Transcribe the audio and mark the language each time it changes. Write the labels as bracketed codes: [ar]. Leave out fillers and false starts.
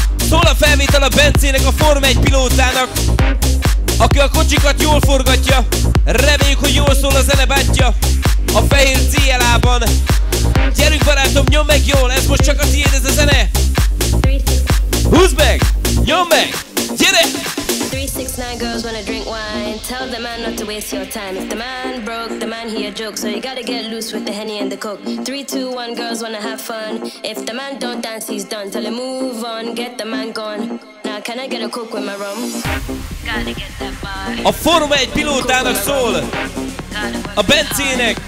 [hu] Szól a felvétel a Bencének, a Form 1 pilótának, aki a kocsikat jól forgatja. Reméljük, hogy jól szól a zene bátyja a fehér CLA-ban. Gyerünk, barátom, nyomd meg jól, ez most csak a tiéd, ez a zene. Húzd meg, nyomd meg, gyere! [en] 369 girls wanna drink wine. Tell the man not to waste your time. If the man broke, the man he a joke. So you gotta get loose with the Henny and the Coke. 3-2-1 girls wanna have fun. If the man don't dance, he's done. Tell him move on, get the man gone. Now can I get a Coke with my rum? [hu] A Forma egy pilótának szól, a Bencének.